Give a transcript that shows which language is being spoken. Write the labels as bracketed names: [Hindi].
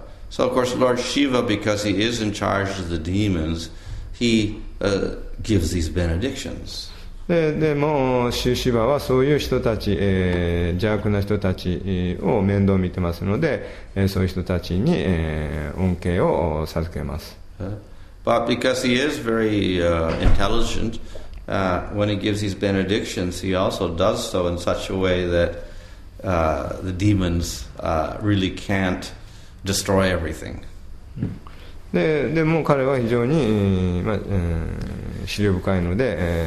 [English] So of course, Lord Shiva, because he is in charge of the demons, he gives these benedictions. [Japanese] でもシュシバはそういう人たち、邪悪な人たちを面倒見てますので、そういう人たちに、恩恵を授けます。 [English] But because he is very intelligent, when he gives his benedictions, he also does so in such a way that the demons really can't destroy everything. [Japanese] でも彼は非常に、まあ思慮深いので。